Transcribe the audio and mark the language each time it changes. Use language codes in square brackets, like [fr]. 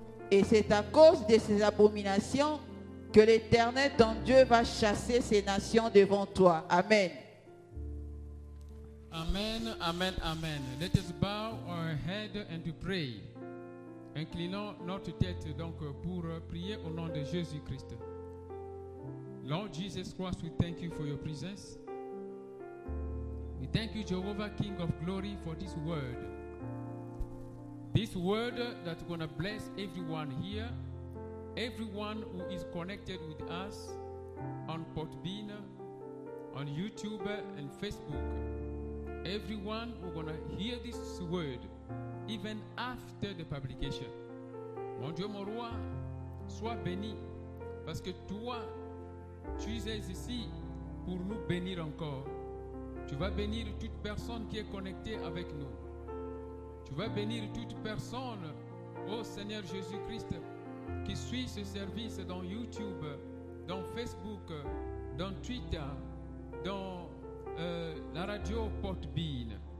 [fr] Et c'est à cause de ces abominations que l'Éternel, ton Dieu, va chasser ces nations devant toi. Amen. [en] Amen, amen, amen. Let us bow our head and pray. [fr] Inclinons notre tête donc pour prier au nom de Jésus-Christ. [en] Lord Jesus Christ, we thank you for your presence. We thank you, Jehovah, King of Glory, for this word. This word that's going to bless everyone here, everyone who is connected with us on Podbean, on YouTube and Facebook. Everyone who's going to hear this word even after the publication. [fr] Mon Dieu, mon roi, sois béni, parce que toi, tu es ici pour nous bénir encore. Tu vas bénir toute personne qui est connectée avec nous. Tu vas bénir toute personne, ô Seigneur Jésus-Christ, qui suit ce service dans YouTube, dans Facebook, dans Twitter, dans la radio Podbean.